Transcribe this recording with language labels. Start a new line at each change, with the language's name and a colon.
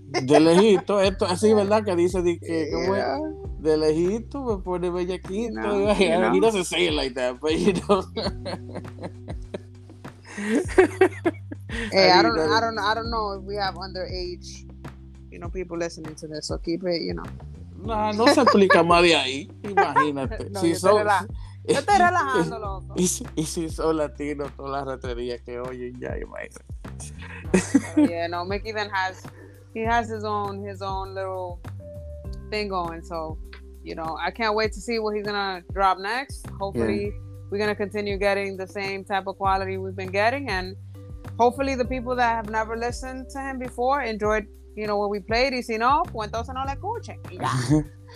Spanish: De lejito, esto así, ¿verdad? Que dice, de lejito, me pone bellaquito.
English: He doesn't say it like that, but you know. Hey, I don't know if we have underage, you know, people listening to this, so keep it, you know.
Spanish: Nah, no se aplica más de ahí, imagínate. No, yo estoy relajando, loco. Y si son latinos, todas las raterías que oyen, ya, imagínate.
English: Yeah, no, Mickey then has... He has his own little thing going, so you know, I can't wait to see what he's gonna drop next. Hopefully, we're gonna continue getting the same type of quality we've been getting, and hopefully, the people that have never listened to him before enjoyed, you know, what we played.
Spanish: Y si no, pues entonces no le escuchen.